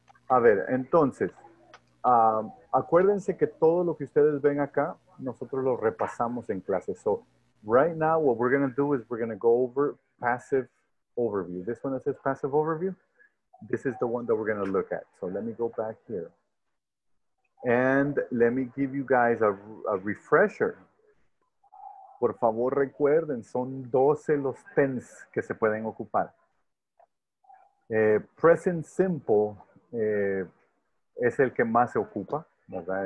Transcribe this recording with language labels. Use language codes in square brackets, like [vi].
[es] A ver, entonces, acuérdense que todo lo que ustedes ven acá, nosotros lo repasamos en clase. [en] So, right now, what we're going to do is we're going to go over passive overview. This one that says passive overview, this is the one that we're going to look at. So let me go back here. And let me give you guys a refresher. [es] Por favor, recuerden, son 12 los tenses que se pueden ocupar. Present simple es el que más se ocupa, ¿verdad?